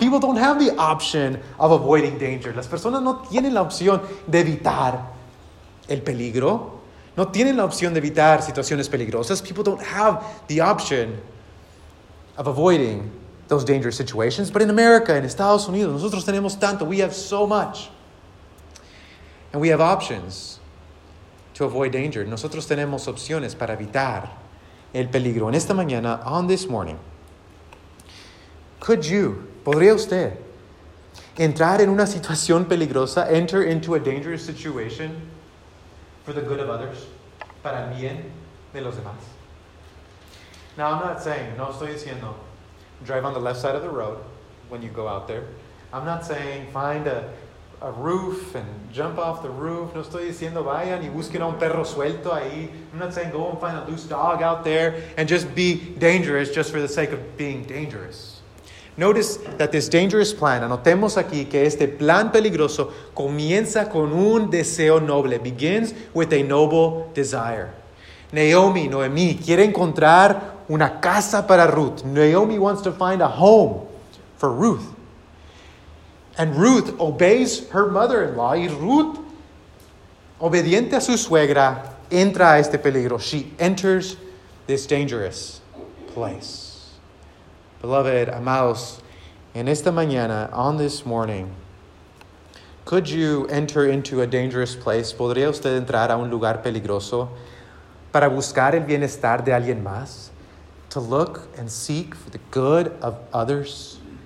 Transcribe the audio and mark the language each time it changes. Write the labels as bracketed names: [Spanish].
[English] People don't have the option of avoiding danger. [Spanish] Las personas no tienen la opción de evitar el peligro. No tienen la opción de evitar situaciones peligrosas. [English] People don't have the option of avoiding those dangerous situations. But in America, in [Spanish] Estados Unidos, nosotros tenemos tanto. [English] We have so much. And we have options to avoid danger. [Spanish] Nosotros tenemos opciones para evitar el peligro. En esta mañana, [English] on this morning, could you, [Spanish] podría usted, entrar en una situación peligrosa, [English] enter into a dangerous situation for the good of others, [Spanish] para el bien de los demás? [English] Now, I'm not saying, [Spanish] no estoy diciendo, [English] drive on the left side of the road when you go out there. I'm not saying, find a roof and jump off the roof. [Spanish] No estoy diciendo vayan y busquen a un perro suelto ahí. [English] I'm not saying go and find a loose dog out there and just be dangerous just for the sake of being dangerous. Notice that this dangerous plan, [Spanish] anotemos aquí que este plan peligroso comienza con un deseo noble, [English] begins with a noble desire. [Spanish] Noemi quiere encontrar una casa para Ruth. [English] Naomi wants to find a home for Ruth. And Ruth obeys her mother-in-law. [Spanish] Y Ruth, obediente a su suegra, entra a este peligro. [English] She enters this dangerous place. Beloved, [Spanish] amados, en esta mañana, [English] on this morning, could you enter into a dangerous place? [Spanish] ¿Podría usted entrar a un lugar peligroso para buscar el bienestar de alguien más? [English] To look and seek for the good of others?